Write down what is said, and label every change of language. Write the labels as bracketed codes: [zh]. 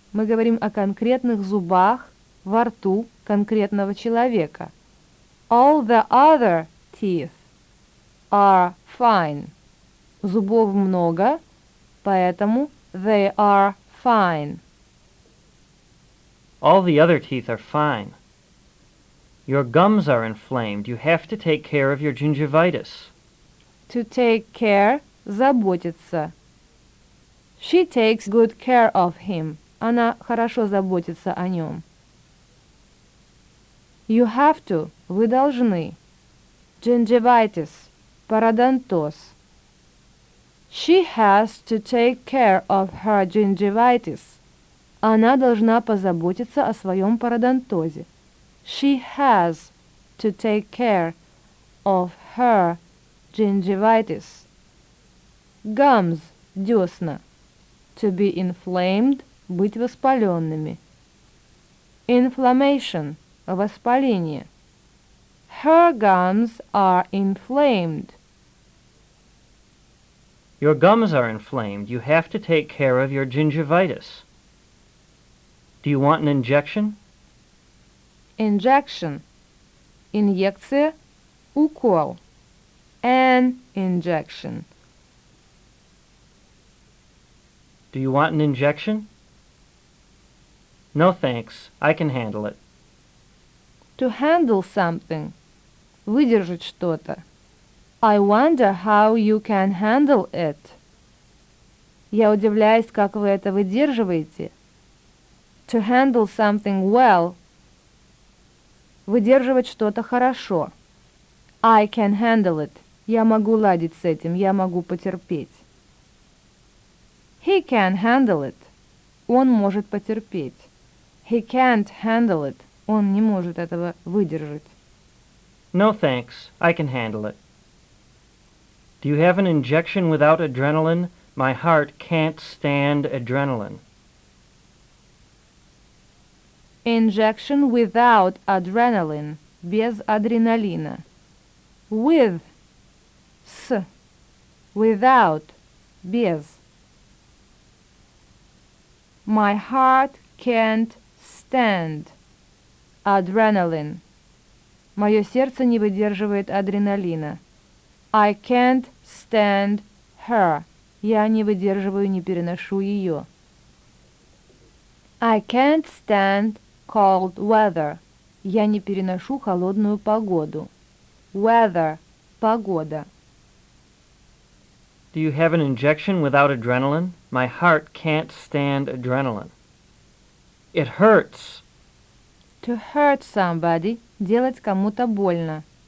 [ru] Мы говорим о конкретных зубах во рту конкретного человека. [en] All the other teeth are fine. [ru] Зубов много, поэтому [en] they are fine. All the other teeth are fine. Your gums are inflamed. You have to take care of your gingivitis. To take care, [ru] заботиться. [en] She takes good care of him. [ru] Она хорошо заботится о нем. [en] You have to. [ru] Вы должны. [en] Gingivitis. [ru] Пародонтоз. [en] She has to take care of her gingivitis. [ru] Она должна позаботиться о своем пародонтозе. [en] She has to take care of her gingivitis. Gums. [ru] Десна. [en] To be inflamed, [ru] быть воспаленными. [en] Inflammation, [ru] воспаление. [en] Her gums are inflamed. Your gums are inflamed. You have to take care of your gingivitis. Do you want an injection? [ru] Injection. Инъекция, укол. [en] An injection. Do you want an injection? No, thanks. I can handle it. To handle something. [ru] Выдержать что-то. [en] I wonder how you can handle it. [ru] Я удивляюсь, как вы это выдерживаете. [en] To handle something well. [ru] Выдерживать что-то хорошо. [en] I can handle it. [ru] Я могу ладить с этим. Я могу потерпеть. [en] He can handle it. [ru] Он может потерпеть. [en] He can't handle it. [ru] Он не может этого выдержать. [en] No thanks. I can handle it. Do you have an injection without adrenaline? My heart can't stand adrenaline. Injection without adrenaline. [ru] Без адреналина. [en] With. С. Without. Без. My heart can't stand adrenaline. [ru] Мое сердце не выдерживает адреналина. [en] I can't stand her. [ru] Я не выдерживаю, не переношу ее. [en] I can't stand cold weather. [ru] Я не переношу холодную погоду. [en] Weather – погода. Do you have an injection without adrenaline? My heart can't stand adrenaline. It hurts. To hurt somebody – [ru] делать кому-то больно.